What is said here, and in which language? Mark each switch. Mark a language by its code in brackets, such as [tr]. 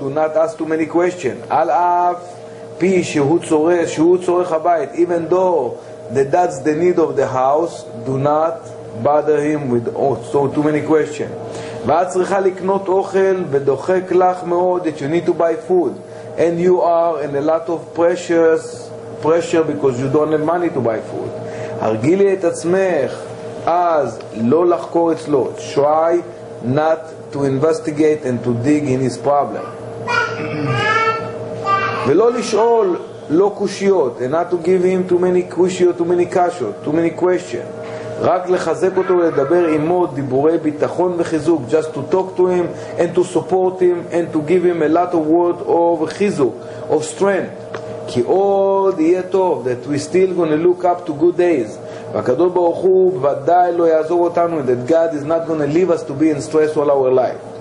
[en] Do not ask too many questions. [he] על אף פי שהוא צורך הבית, [en] even though that's the need of the house, do not bother him with too many questions. [he] ואת צריכה לקנות אוכל ודוחק לך מאוד, [en] that you need to buy food, and you are in a lot of pressure because you don't have money to buy food. [he] הרגילי את עצמך אז לא לחקור אצלו. [en] Try not to investigate and to dig in his problem. [he] ולא לשאול לא קושיות, [en] and not to give him too many קושיות, too many קשות, too many questions. [he] רק לחזק אותו ולדבר עמו דיבורי ביטחון וחיזוק. [en] Just to talk to him and to support him and to give him a lot of words of חיזוק, of strength. [he] כי עוד יהיה טוב, [en] that we still gonna look up to good days. [he] והקדוש ברוך הוא ודאי לא יעזור אותנו, [en] that God is not gonna leave us to be in stress all our life.